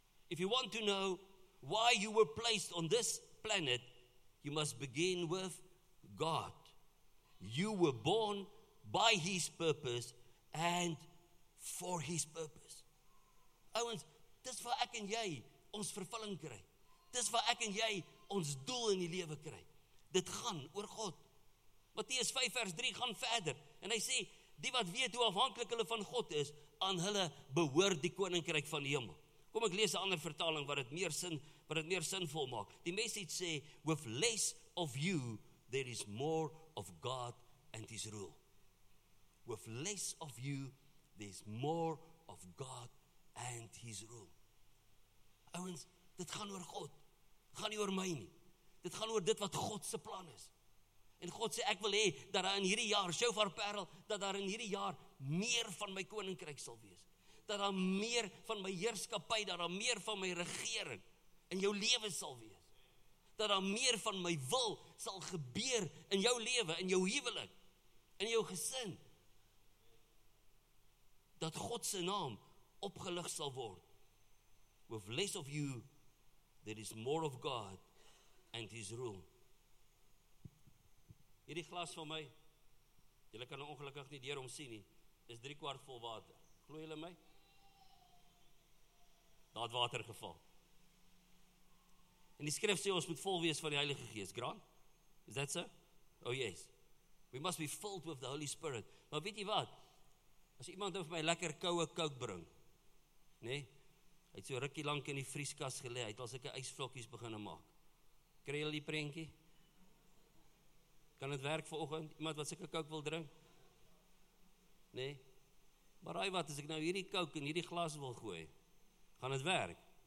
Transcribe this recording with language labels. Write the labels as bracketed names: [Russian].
[English] If you want to know why you were placed on this planet, you must begin with God. You were born by his purpose and for his purpose. [Afrikaans] Ouens, dis waar ek en jy ons vervulling kry. Dis waar ek en jy ons doel in die lewe kry. Dit gaan oor God. Matteus 5 vers 3 gaan verder en hy sê die wat weet hoe afhanklik hulle van God is, aan hulle behoort die koninkryk van die hemel. Kom ek lees 'n ander vertaling wat dit meer sinvol maak. Die Message sê [English] with less of you there is more of God and his rule. With less of you, there's more of God and his rule. [Afrikaans] Ouens, dit gaan oor God. Dit gaan nie oor my nie. Dit gaan oor dit wat God se plan is. En God sê, ek wil hê dat daar in hierdie jaar, Shofar Parel, dat daar in hierdie jaar meer van my koninkryk sal wees. Dat daar meer van my heerskappy, dat daar meer van my regering in jou lewe sal wees. Dat daar meer van my wil sal gebeur in jou lewe, in jou huwelik, in jou gesin. Dat God se naam opgelig sal word. [English] With less of you, there is more of God and his rule. [Afrikaans] Hierdie glas van my, julle kan ongelukkig nie deur hom sien nie, is 3/4 vol water. Glo julle my? Daar het water geval. En die skrif sê ons moet vol wees van die Heilige Gees. [English] Grant, is that so? Oh yes. We must be filled with the Holy Spirit. [Afrikaans] Maar weet jy wat? As iemand vir my lekker koue kook bring, nee, hy het so rukkie lank in die vrieskas gelê, hy het al sulke ysvlokkies begin maak. Kry jy die prentjie? Kan dit werk vanoggend? Iemand wat sulke kook wil drink? Nee. Maar raai wat, as ek nou hierdie kook in hierdie glas wil gooi, gaan dit werk?